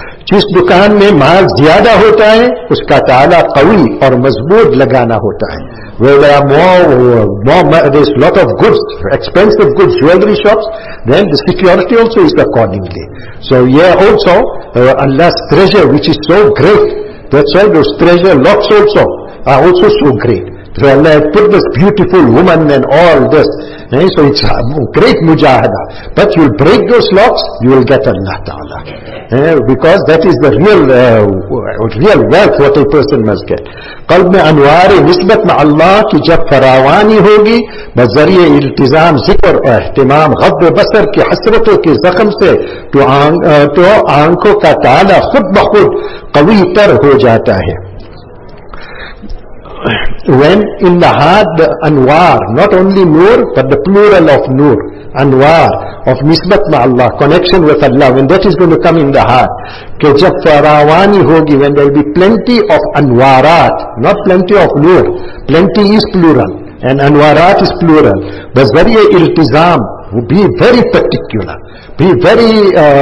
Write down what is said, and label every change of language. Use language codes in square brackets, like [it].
[ur] جس دکان میں مال زیادہ ہوتا ہے اس کا تالہ قوی اور مضبوط لگانا ہوتا ہے. [en] Where there are more, there's lot of goods, expensive goods, jewelry shops, then the security also is accordingly. So here also, Allah's treasure which is so great, that's why those treasure locks also are also so great. So Allah has put this beautiful woman and all this. So it's a great mujahada. But you'll break those locks, you will get Allah Ta'ala. Because that is the real wealth what a person must get. [ur] قلب میں انوار نسبت مع اللہ کی جب فراوانی ہوگی بذریع التزام ذکر اور احتمام غب و بسر کی حسرتوں کے زخم سے تو آنکھوں کا تالہ خود بخود قوی تر ہو جاتا ہے. [en] When in the heart the anwar, not only nur, but the plural of nur, anwar, of nisbat ma'allah, connection with Allah, when that is going to come in the heart, [ur] ke jab farawani hogi, [en] when there will be plenty of anwarat, not plenty of nur, plenty is plural, and anwarat is plural, but very iltizam, be very particular, be very,